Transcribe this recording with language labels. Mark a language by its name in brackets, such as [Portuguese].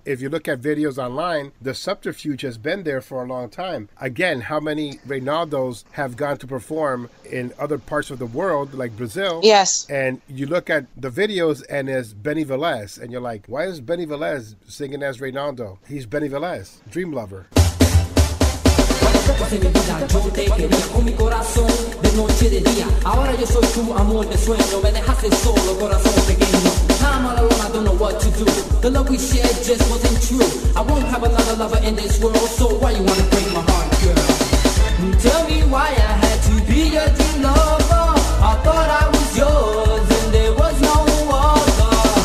[English] If you look at videos online, the subterfuge has been there for a long time. Again, how many Reynaldos have gone to perform in other parts of the world, like Brazil? Yes. And you look at the videos and it's Benny Velez. And you're like, why is Benny Velez singing as Reynaldo? He's Benny Velez, Dream Lover. [Portuguese] Você me diga, [Spanish] yo te quería con mi corazón de noche y de día. Ahora yo soy tu amor de sueño. Me dejaste solo, corazón pequeño. [English] Time all alone, I don't know what to do. The love we shared just wasn't true. I won't have another lover in this world. So why you wanna break my heart, girl? Tell me why I had to be your dream lover. I thought I was yours and there was no other.